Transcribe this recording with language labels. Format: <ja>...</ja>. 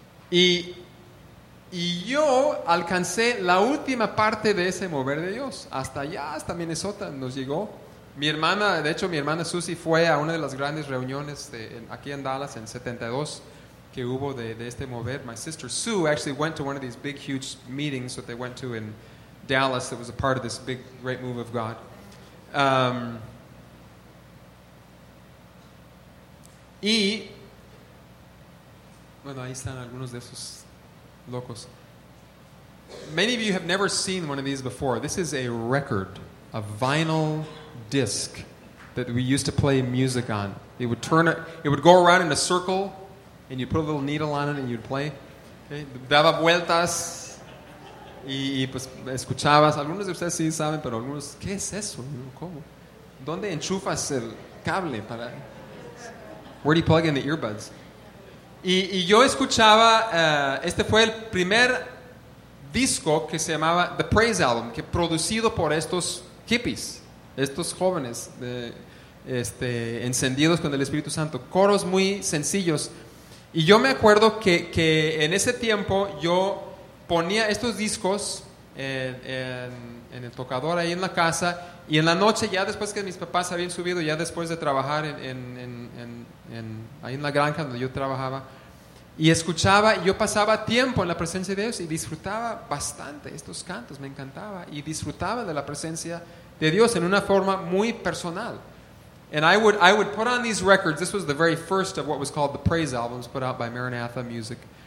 <es>Y yo alcancé la última parte de ese mover de Dios. Hasta allá, hasta Minnesota nos llegó. Mi hermana, de hecho, mi hermana Susie fue a una de las grandes reuniones aquí en Dallas en 72 que hubo de este mover.</es> <en>My sister Sue actually went to one of these big, huge meetings that they went to in Dallas that was a part of this big, great move of God.</en> <es>Y, bueno, ahí están algunos de esos locos.</es> <en>Many of you have never seen one of these before. This is a record, a vinyl disc that we used to play music on. It would turn it, it would go around in a circle, and you put a little needle on it and you'd play.</en> <es>Okay? Daba vueltas y pues escuchabas. Algunos de ustedes sí saben, pero algunos, ¿qué es eso? ¿Cómo? ¿Dónde enchufas el cable para?</es> <en>Where do you plug in the earbuds?</en> <es>Y yo escuchaba, este fue el primer disco que se llamaba The Praise Album, que producido por estos hippies, estos jóvenes encendidos con el Espíritu Santo, coros muy sencillos. Y yo me acuerdo que en ese tiempo yo ponía estos discos en el tocador ahí en la casa, y en la noche, ya después que mis papás habían subido, ya después de trabajar en ahí en la granja donde yo trabajaba, y escuchaba, yo pasaba tiempo en la presencia de Dios y disfrutaba bastante estos cantos, me encantaba, y disfrutaba de la presencia de Dios en una forma muy personal.</es> <en>And I would put on these records. This was the very first of what was called the Praise Albums, put out by Maranatha Music.</en>